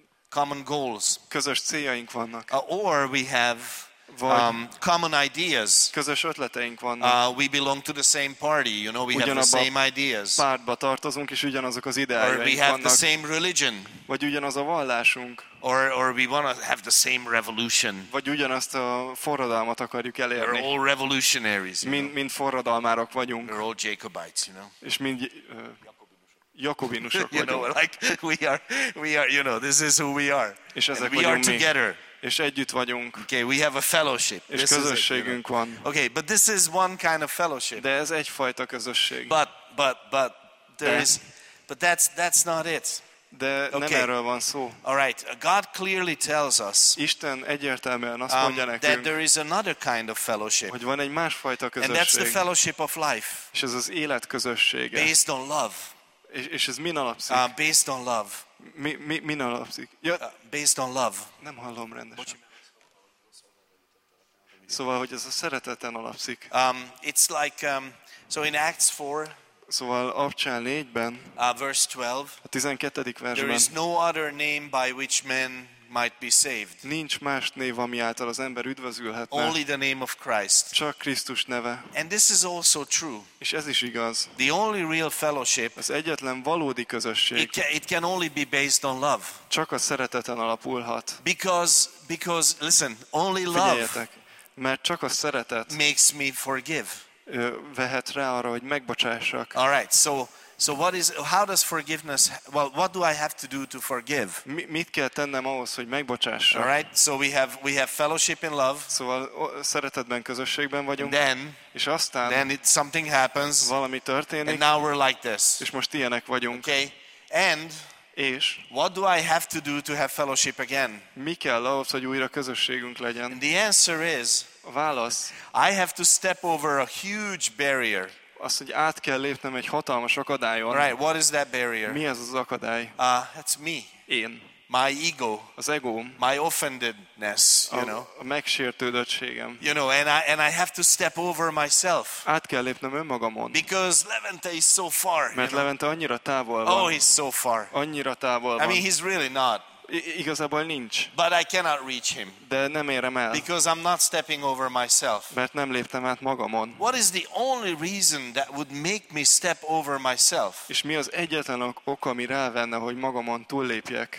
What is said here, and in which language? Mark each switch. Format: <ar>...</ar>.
<en>common goals.</en> <hu>Közös céljaink vannak.</hu> <en>Or we have common ideas.</en> <hu>Közös ötleteink vannak.</hu> <en>We belong to the same party. You know, we have the same ideas.</en> <hu>Pártba tartozunk és ugyanazok az ideáink vannak.</hu> <en>Or we have the same religion.</en> <hu>Vagy ugyanaz a vallásunk.</hu> <en>Or we want to have the same revolution.</en> <hu>Vagy ugyanazt a forradalmat akarjuk elérni.</hu> <en>We're all revolutionaries.</en> <hu>Mind forradalmárok vagyunk.</hu> <en>We're all Jacobites, you know.</en> <hu>És mind Jakobinusok vagyunk.</hu> <en>You know, like we are, you know, this is who we are.</en> <hu>És ezek</hu> <en>we are together.</en> <hu>És együtt vagyunk.</hu> <en>Okay, we have a fellowship.</en> <hu>És</hu> <en>this</en> <hu>közösségünk</hu> <en>is it, you know?</en> <hu>Van.</hu> <en>Okay, but this is one kind of fellowship.</en> <hu>De ez egyfajta közösség.</hu> <en>But there is, but that's not it.</en> <hu>De nem</hu> <en>okay.</en> <hu>erről van szó.</hu> <en>All right. God clearly tells us.</en> <hu>Isten egyértelműen azt mondja nekünk.</hu> <en>That there is another kind of fellowship.</en> <hu>Hogy van egy másfajta közösség.</hu> <en>And that's the fellowship of life.</en> <hu>És ez az élet közössége.</hu> <en>Based on love.</en> <hu>És ez min alapszik?</hu> <en>Based on love.</en> <hu>Min alapszik? Ja.</hu> <en>Based on love.</en> <hu>Nem hallom rendesen. Szóval, hogy ez a szereteten alapszik.</hu> <en>It's like so in Acts 4.</en> <hu>Szóval Apcsán 4-ben,</hu> <en>verse 12,</en> <hu>a 12. versben,</hu> <en>there is no other name by which men might be saved.</en> <hu>Nincs más név, ami által az ember üdvözülhetne.</hu> <en>Only the name of Christ.</en> <hu>Csak Krisztus neve.</hu> <en>And this is also true.</en> <hu>És ez is igaz.</hu> <en>The only real fellowship.</en> <hu>Az egyetlen valódi közösség.</hu> <en>It can only be based on love.</en> <hu>Csak a szereteten alapulhat.</hu> <en>Because listen, only love.</en> <hu>Mert csak a szeretet.</hu> <en>Makes me forgive.</en> <hu>Vehet rá arra, hogy megbocsássak.</hu> <en>All right, so what is, how does forgiveness, well, what do I have to do to forgive?</en> <hu>Mit kell tennem ahhoz, hogy megbocsássak?</hu> <en>All right, so we have fellowship in love.</en> <hu>Szóval szeretetben, közösségben vagyunk.</hu> <en>Then,</en> <hu>és aztán,</hu> <en>then it, something happens.</en> <hu>Valami történik.</hu> <en>And now we're like this.</en> <hu>És most ilyenek vagyunk.</hu> <en>Okay, and</en> <hu>és</hu> <en>what do I have to do to have fellowship again?</en> <hu>Mi kell ahhoz, hogy újra közösségünk legyen?</hu> <en>And the answer is,</en> <hu>a válasz,</hu> <en>I have to step over a huge barrier.</en> <hu>Azt, hogy át kell lépnem egy hatalmas akadályon.</hu> <en>Right, what is that barrier?</en> <hu>Mi ez az akadály?</hu> <en>That's me.</en> <hu>Én.</hu> <en>My ego.</en> <hu>Az egóm.</hu> <en>My offendedness, you know.</en> <hu>A megsértődöttségem.</hu> <en>You know, and I have to step over myself.</en> <hu>Át kell lépnem önmagamon.</hu> <en>Because Levente is so far.</en> <hu>Mert Levente annyira távol van.</hu> <en>Oh, he's so far.</en> <hu>Annyira távol van.</hu> <en>I mean, he's really not.</en> <hu>Igazából nincs.</hu> <en>But I cannot reach him.</en> <hu>De nem érem el.</hu> <en>Because I'm not stepping over myself.</en> <hu>Mert nem léptem át magamon.</hu> <en>What is the only reason that would make me step over myself?</en> <hu>És mi az egyetlen ok, ami rávenne, hogy magamon túllépjek?</hu>